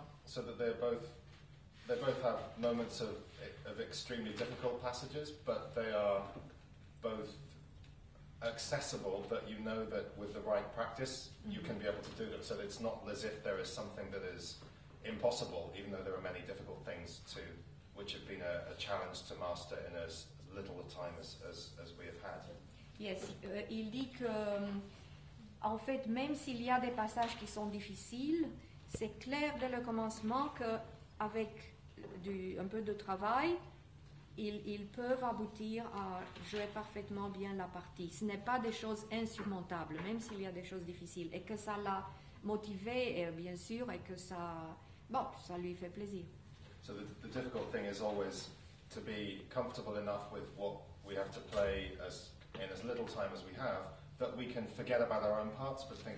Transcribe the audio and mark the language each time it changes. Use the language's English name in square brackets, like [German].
[English] so that they're both, they both have moments of extremely difficult passages, but they are both accessible, that you know that with the right practice mm-hmm. you can be able to do them, so that it's not as if there is something that is impossible, even though there are many difficult things to which have been a challenge to master in as little time as we have had. [French] Yes, il dit que en fait, même s'il y a des passages qui sont difficiles, c'est clair dès le commencement que avec un peu de travail, ils peuvent aboutir à jouer parfaitement bien la partie. Ce n'est pas des choses insurmontables, même s'il y a des choses difficiles, et que ça l'a motivé, et bien sûr, et que ça, bon, ça lui fait plaisir. [English] So the difficult thing is always to be comfortable enough with what we have to play as in as little time as we have, that we can forget about our own parts, but think